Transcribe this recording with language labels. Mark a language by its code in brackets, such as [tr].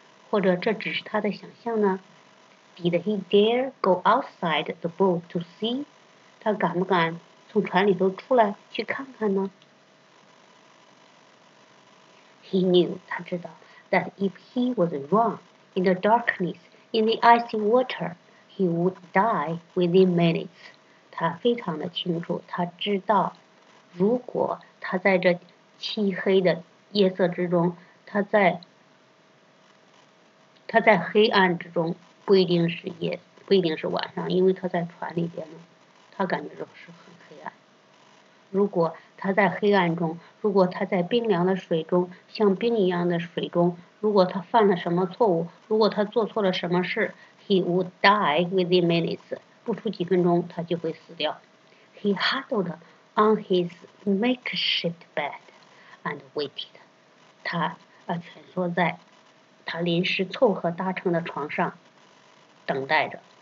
[zh] 或者这只是他的想象呢？ [en] Did he dare go outside the boat to see? [zh] 他敢不敢从船里头出来去看看呢？ [en] He knew, [zh] 他知道 [en] that if he was wrong in the darkness, in the icy water, he would die within minutes. [zh] 他非常的清楚，他知道如果他在这漆黑的夜色之中，他在黑暗之中，不一定是夜，不一定是晚上，因为他在船里边呢。他感觉到是很黑暗。如果他在黑暗中，如果他在冰凉的水中，像冰一样的水中，如果他犯了什么错误，如果他做错了什么事， [en] he would die within minutes, [zh] 不出几分钟他就会死掉。 [en] He huddled on his makeshift bed and waited. [zh] 他蜷缩在他临时凑合搭乘的床上等待着。